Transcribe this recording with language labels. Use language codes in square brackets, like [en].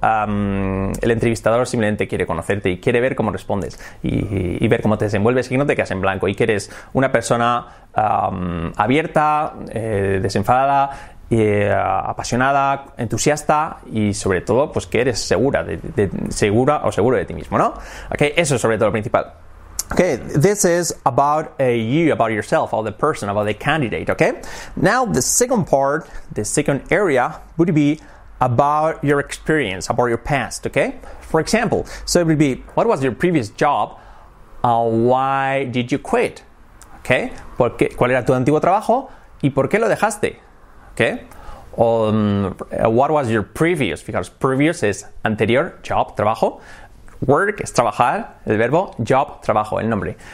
[es] El entrevistador simplemente quiere conocerte y quiere ver cómo respondes y ver cómo te desenvuelves y no te quedas en blanco y que eres una persona abierta, desenfadada, apasionada, entusiasta y sobre todo pues que eres segura segura o seguro de ti mismo, ¿no? Okay, eso es sobre todo lo principal. [en] Okay, this is about you, about yourself, about the person, about the candidate, okay? Now the second part, the second area would be about your experience, about your past, okay? For example, so it would be, what was your previous job? Why did you quit? Okay? [es] ¿Cuál era tu antiguo trabajo y por qué lo dejaste? Okay. [en] What was your previous? Because previous is anterior, job, trabajo. [es] Work es trabajar, el verbo, job, trabajo, el nombre.